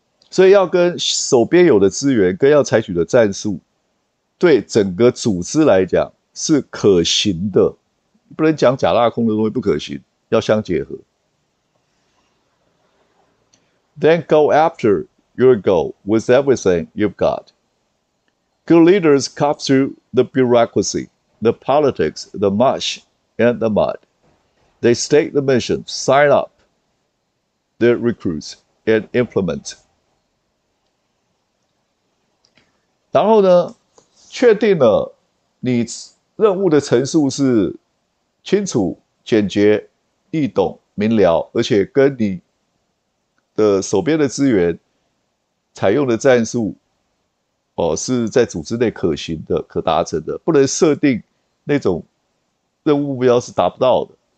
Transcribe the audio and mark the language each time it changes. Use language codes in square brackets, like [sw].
[zh] 所以要跟手边有的资源，跟要采取的战术，对整个组织来讲是可行的，不能讲假大空的东西不可行，要相结合。 [en] Then go after your goal with everything you've got. Good leaders cut through the bureaucracy, the politics, the mush, and the mud. They state the mission, sign up the recruits, and implement. [zh] 然后呢，确定了你任务的陈述是清楚、简洁、易懂、明了，而且跟你的手边的资源采用的战术，是在组织内可行的、可达成的，不能设定那种任务目标是达不到的，